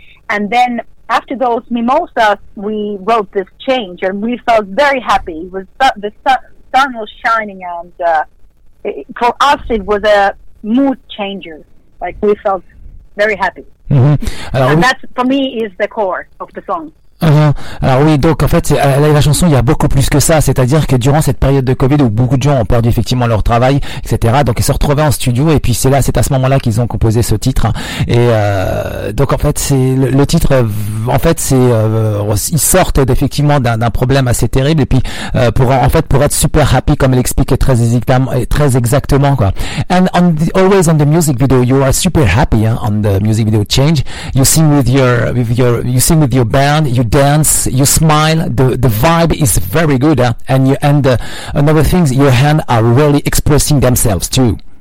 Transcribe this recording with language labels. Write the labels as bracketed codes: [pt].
[en] And then after those mimosas, we wrote this change, and we felt very happy. It was the sun was shining, and for us, it was a mood changer. Like, we felt very happy. Mm-hmm. Alors, and that, for me, is the core of the song. [fr] Alors oui, donc en fait, la chanson, il y a beaucoup plus que ça. C'est-à-dire que durant cette période de Covid où beaucoup de gens ont perdu effectivement leur travail, etc. Donc ils se retrouvaient en studio et puis c'est à ce moment-là qu'ils ont composé ce titre. Et donc en fait, c'est le titre. En fait, c'est ils sortent effectivement d'un problème assez terrible et puis pour être super happy, comme elle explique très exactement quoi. [en] And on the, always on the music video, you are super happy on the music video change. You sing with your band. You dance, you smile, the vibe is very good, another things, your hands are really expressing themselves too.